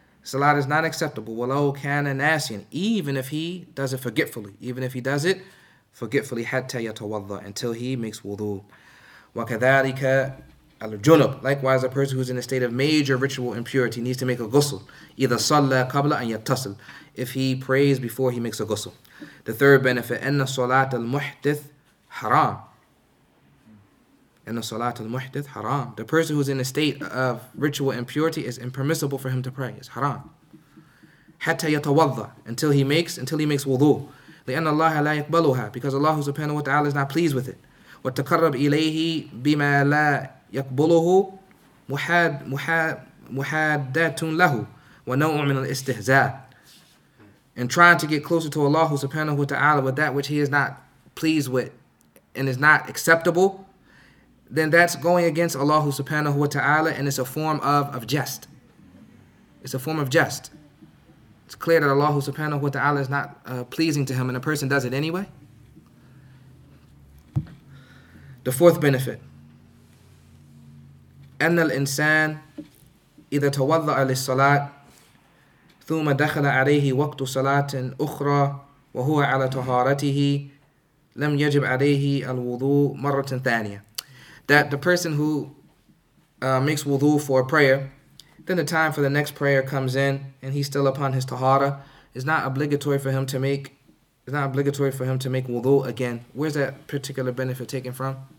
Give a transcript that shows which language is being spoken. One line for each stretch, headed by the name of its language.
English: Salat is not acceptable,
Arabic: walau kana nasiyan,
English: even if he does it forgetfully, even if he does it forgetfully,
Arabic: hatta yatawadda,
English: until he makes wudu.
Arabic: وَكَذَٰلِكَ الْجُنُبُ,
English: likewise, a person who's in a state of major ritual impurity needs to make a ghusl, either
Arabic: صَلَّى قَبْلَ أَنْ يَتَّصِلْ,
English: if he prays before he makes a ghusl. The third benefit,
Arabic: أَنَّ صَلَاتَ الْمُحْدِثْ حَرَامٌ. أَنَّ صَلَاتَ الْمُحْدِثْ حَرَامٌ.
English: The person who's in a state of ritual impurity is impermissible for him to pray. It's haram.
Arabic: حَتَّى يَتَوَضَّى,
English: until he makes wudu.
Arabic: لِأَنَّ اللَّهَ لَا يَقْبَلُهَا,
English: because Allah subhanahu wa ta'ala is not pleased with it.
Arabic: وَتَقَرَّبْ إِلَيْهِ بِمَا لَا يَقْبُلُهُ مُحَادَّةٌ لَهُ وَنَوْعٌ مِنَ الْإِسْتِهْزَاءِ.
English: And trying to get closer to Allah subhanahu wa ta'ala with that which he is not pleased with and is not acceptable, then that's going against Allah subhanahu wa ta'ala, and it's a form of jest. It's a form of jest. it's clear that Allah subhanahu wa ta'ala is not pleasing to him, and a person does it anyway. The fourth benefit.
Arabic: أن الإنسان إذا توضأ للصلاة ثم دخل عليه وقت صلاة أخرى وهو على طهارته لم يجب عليه الوضوء مرة ثانية.
English: That the person who makes wudu for a prayer, then the time for the next prayer comes in and he's still upon his tahara, it's not obligatory for him to make wudu again. Where's that particular benefit taken from?